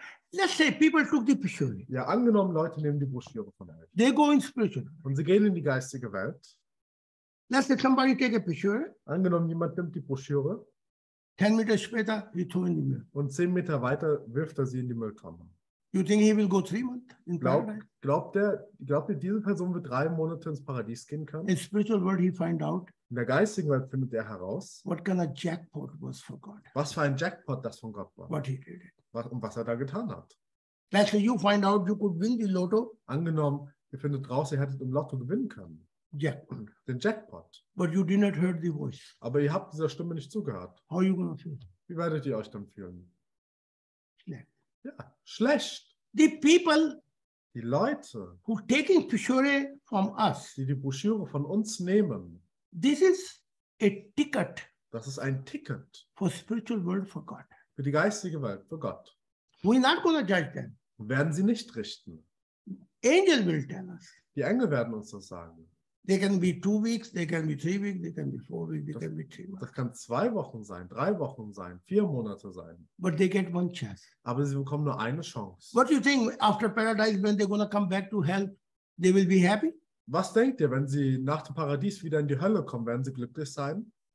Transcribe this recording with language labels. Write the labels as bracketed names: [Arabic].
[English] Let's say people took the picture. [German] Ja, angenommen, Leute nehmen die Broschüre von euch. [English] They go in spiritual. [German] Und sie gehen in die geistige Welt. [English] Let's say somebody take a picture. [German] Angenommen, jemand nimmt die Broschüre. 10 Meter später, [English] he threw in the Müll. [German] Und 10 Meter weiter wirft er sie in die Mülltonne. [English] You think he will go 3 months in paradise? [German] Glaubt ihr, diese Person wird 3 Monate ins Paradies gehen können? [English] In spiritual world, he find out. [German] In der geistigen Welt findet er heraus. [English] What kind of jackpot was for God? [German] Was für ein Jackpot das von Gott war? [English] What he did. [German] Und was er da getan hat. [English] Let's say you find out you could win the lotto. [German] Angenommen, ihr findet raus, ihr hättet im Lotto gewinnen können. [English] Jackpot. [German] Den Jackpot. [English] But you did not hear the voice. [German] Aber ihr habt dieser Stimme nicht zugehört. [English] How you gonna feel? [German] Wie werdet ihr euch dann fühlen? Schlecht. Ja, schlecht. [English] The people. [German] Die Leute. [English] Who taking brochure from us. [German] Die die Broschüre von uns nehmen. [English] This is a ticket. [German] Das ist ein Ticket. [English] For spiritual world for God. [German] Für die geistige Welt, für Gott. [English] We're not gonna judge them. [German] Werden sie nicht richten. [English] Angel will tell us. [German] Die Engel werden uns das sagen. [English] They can be 2 weeks, they can be 3 weeks, they can be 4 weeks, they can be 3 months. [German] Das kann 2 Wochen sein, 3 Wochen sein, 4 Monate sein. [English] But they get one chance. [German] Aber sie bekommen nur eine Chance. [English] What do you think, after paradise, when they're gonna come back to hell, they will be happy? [German] Was denkt ihr, wenn sie nach dem Paradies wieder in die Hölle kommen, werden sie glücklich sein?